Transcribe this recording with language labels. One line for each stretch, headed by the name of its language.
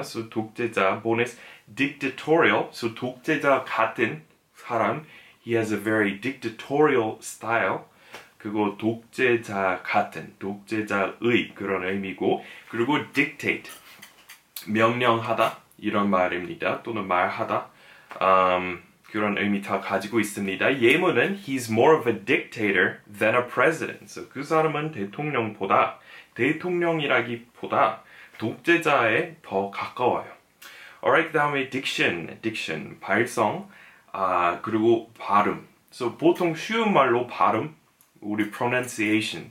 English: So 독재자, bonus, dictatorial. So
Korean: 독재자 같은 사람,
English: he has a very dictatorial style.
Korean: 그거 독재자 같은, 독재자의 그런 의미고. 그리고 dictate, 명령하다, 이런 말입니다. 또는 말하다. 그런 의미 다 가지고 있습니다. 예문은
English: he's more of a dictator than a president.
Korean: So 그 사람은 대통령보다, 대통령이라기보다 독재자에 더 가까워요. Alright, 그 다음에 diction, diction, 발성, 그리고 발음. So 보통 쉬운 말로 발음, 우리 pronunciation.